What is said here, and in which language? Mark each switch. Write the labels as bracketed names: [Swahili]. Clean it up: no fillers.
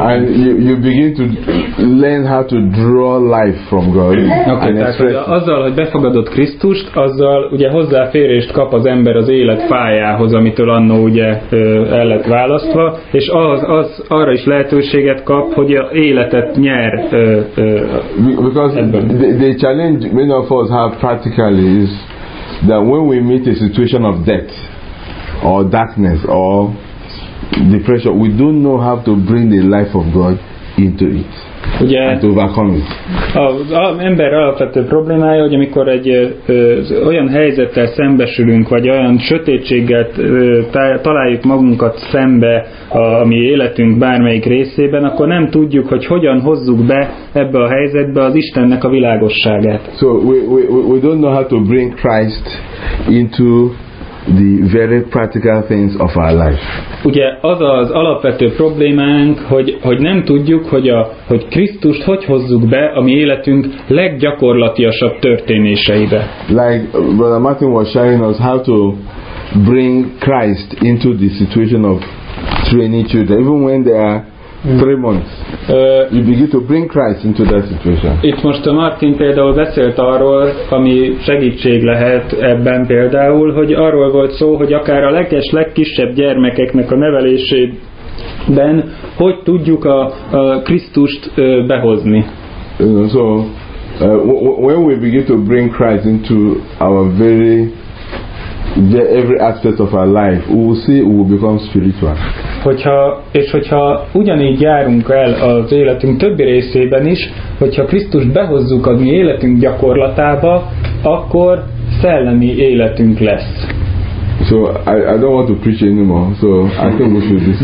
[English] And you begin to learn how to draw life from God. Okay, and [Hungarian] tehát azzal, hogy befogadott Krisztust, azzal ugye hozzáférést kap az ember az élet pályához, amitől annó ugye el lett választva, és az arra is lehetőséget kap, hogy a életet nyer. [English] Because the challenge many of us have practically is that when we meet a situation of death or darkness or depression, we don't know how to bring the life of God into it. [Hungarian] Ugye, [English] and to overcome it. [Hungarian] Az ember alapvető problémája, hogy amikor egy olyan helyzettel szembesülünk, vagy olyan sötétséget találjuk magunkat szembe a mi életünk bármelyik részében, akkor nem tudjuk, hogy hogyan hozzuk be ebbe a helyzetbe az Istennek a világosságát. [English] So we don't know how to bring Christ into the very practical things of our life. [Hungarian] Ugye az az alapvető problémánk, hogy nem tudjuk, hogy Krisztust hogy hozzuk be a mi életünk leggyakorlatiasabb történéseibe. [English] Like Brother Martin was sharing us how to bring Christ into the situation of training children, even when they are 3 months. You begin to bring Christ into that situation. [Hungarian] Itt most a Martin például beszélt arról, ami segítség lehet ebben például, hogy arról volt szó, hogy akár a legkisebb gyermekeknek a nevelésében hogy tudjuk a Krisztust behozni. [English] You know, so when we begin to bring Christ into our every aspect of our life, we will see we will become spiritual. [Hungarian] Hogyha ugyanígy járunk el az életünk többi részében is, hogyha Krisztust behozzuk a mi életünk gyakorlatába, akkor szellemi életünk lesz. [English] So I don't want to preach anymore. So I think we should discuss.